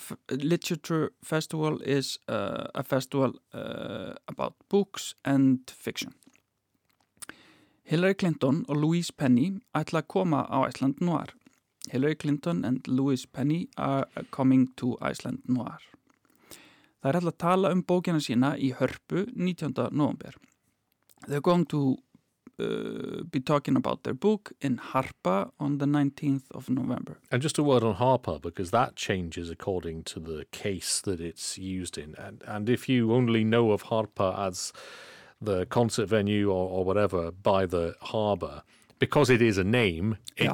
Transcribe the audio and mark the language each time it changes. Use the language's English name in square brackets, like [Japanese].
[English] Literature festival is a festival about books and fiction. [Icelandic] Hillary Clinton og Louise Penny ætla að koma á Iceland Noir. Hillary Clinton and Louise Penny are coming to Iceland Noir. Það ætla að tala bókina sína í hörpu 19. nóvember. [English] They're going to be talking about their book in Harpa on the 19th of November. And just a word on Harpa, because that changes according to the case that it's used in. And if you only know of Harpa as the concert venue or whatever by the harbour, because it is a name, it yeah.